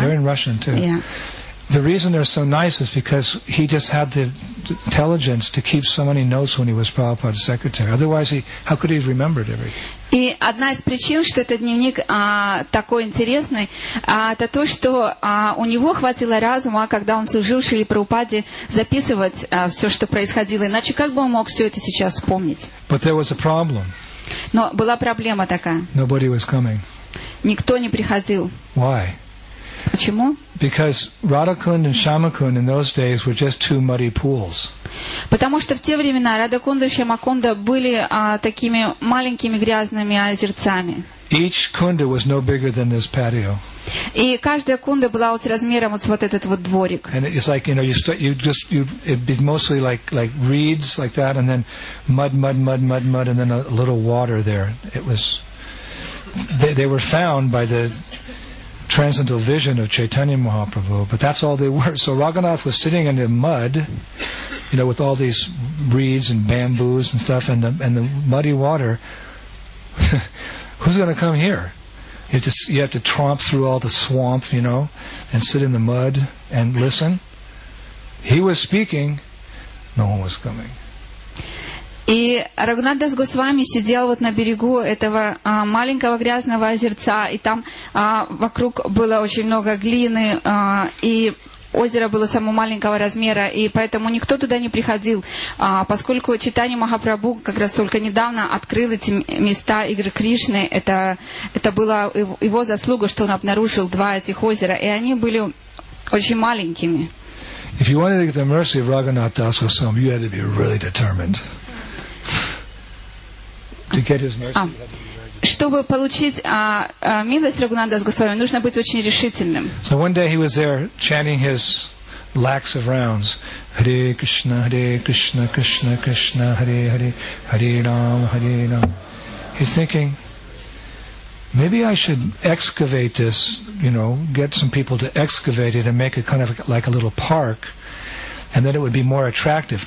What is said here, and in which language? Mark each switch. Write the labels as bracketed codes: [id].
[en] They're in Russian too. Yeah. The reason they're so nice is because he just had the intelligence to keep so many notes when he was Prabhupada's secretary. Otherwise, how could he have remembered everything? [ru] И одна из причин, что этот дневник такой интересный, это то, что у него хватило разума, когда он служил Шриле Прабхупаде, записывать все, что происходило. Иначе как бы он мог все это сейчас вспомнить? [en] But there was a problem. [ru] Но была проблема такая. [en] Nobody was coming. [ru] Никто не приходил. [en] Why? [ru] Почему? [en] Because Radhakund and Shyamakund in those days were just two muddy pools. [ru] Потому что в те времена Радхакунда и Шьямакунда были такими маленькими грязными озерцами. [en] Each kunda was no bigger than this patio. [ru] И каждая кунда была вот размером с вот этот вот дворик. [en] And it's like, you know, it'd be mostly like reeds like that, and then mud, and then a little water there. It was they were found by the transcendental vision of Chaitanya Mahaprabhu, but that's all they were. So Raghunath was sitting in the mud, you know, with all these reeds and bamboos and stuff, and the muddy water. Who's going to come here? You have to tromp through all the swamp, you know, and sit in the mud and listen. He was speaking, no one was coming. [ru] И Рагунат Дас Госвами сидел вот на берегу этого маленького грязного озерца, и там вокруг было очень много глины, и озеро было самого маленького размера, и поэтому никто туда не приходил, поскольку Чайтанья Махапрабху как раз только недавно открыл эти места игры Кришны, это была его заслуга, что он обнаружил два этих озера, и они были очень маленькими. [en] If you wanted to get the mercy of Raghunath Dasa Goswami, you had to be really determined. To get his mercy, [ru] чтобы получить милость Рагунат Дас Госвами, нужно быть очень решительным. [en] So one day he was there chanting his lakhs of rounds. [sa] Hare Krishna, Hare Krishna, Krishna Krishna, Hare Hare, Hare Rama, Hare Rama. [en] He's thinking, maybe I should excavate this, you know, get some people to excavate it and make it kind of like a little park, and then it would be more attractive.